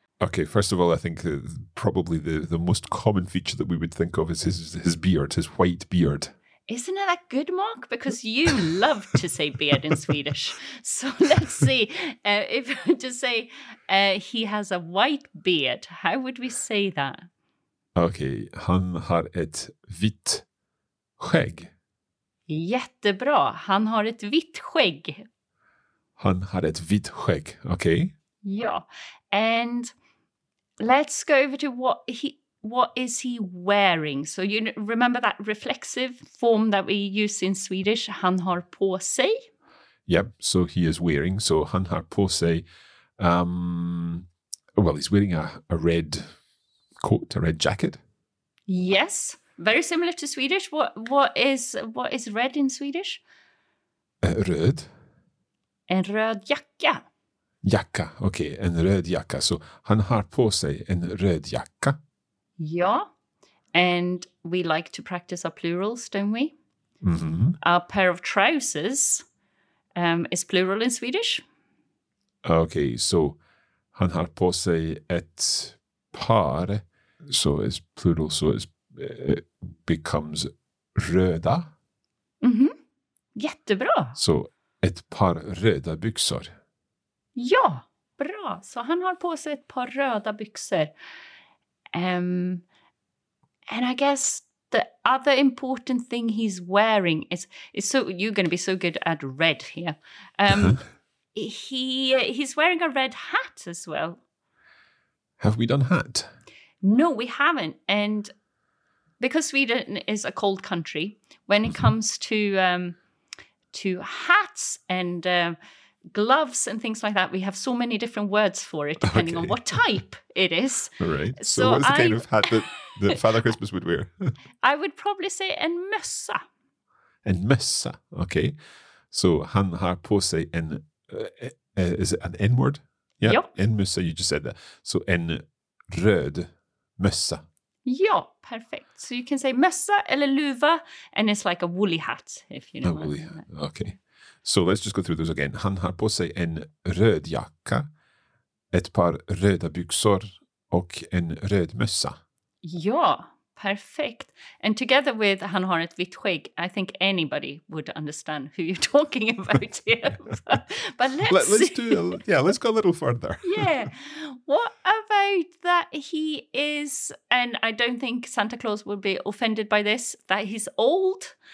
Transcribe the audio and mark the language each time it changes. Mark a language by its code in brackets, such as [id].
[en] Okay, first of all, I think probably the most common feature that we would think of is his beard, his white beard. Isn't that good, Mark? Because you love to say beard in Swedish. So let's see, if to say he has a white beard, how would we say that? [sv] Okay, han har ett vitt skägg. Jättebra, han har ett vitt skägg. Han har ett vitt skägg, okay. [en] Ja, and... Let's go over to what is he wearing. So you remember that reflexive form that we use in Swedish, [sv] han har på sig? [en] Yep. So he is wearing, so [sv] Hanhar Posei, [en] well, he's wearing a red coat, a red jacket. Yes. Very similar to Swedish. What is red in Swedish? [sv] Röd. En röd jacka. Jacka. Okay. En röd jacka. So han har på sig en röd jacka. Ja. [en] And we like to practice our plurals, don't we? Mm-hmm. A pair of trousers is plural in Swedish. [sv] Okay. So han har på sig ett par. [en] So it's plural. So it's it becomes [sv] röda. Mm-hmm. Jättebra. So ett par röda byxor. Ja, bra. Så han har på sig ett par röda byxor. [en] And I guess the other important thing he's wearing is so you're going to be so good at red here. he's wearing a red hat as well. Have we done hat? No, we haven't. And because Sweden is a cold country, when it comes to hats and gloves and things like that, we have so many different words for it, depending on what type it is. Right. So what's the kind of hat that Father Christmas would wear? I would probably say [sv] en mössa. En mössa. Okay. So han har på sig en... [en] is it an N-word? Yeah. Yep. [sv] En mössa, [en] you just said that. [sv] So en röd mössa. Ja, perfect. [en] So you can say [sv] mössa eller luva, [en] and it's like a woolly hat, if you know. A woolly hat. Okay. So let's just go through those again. [sv] Han har på sig en röd jacka, ett par röda byxor och en röd mössa. Ja, perfect. [en] And together with [sv] han har ett vitt skägg, [en] I think anybody would understand who you're talking about here. But let's go a little further. Yeah. What about that he is, and I don't think Santa Claus would be offended by this, that he's old?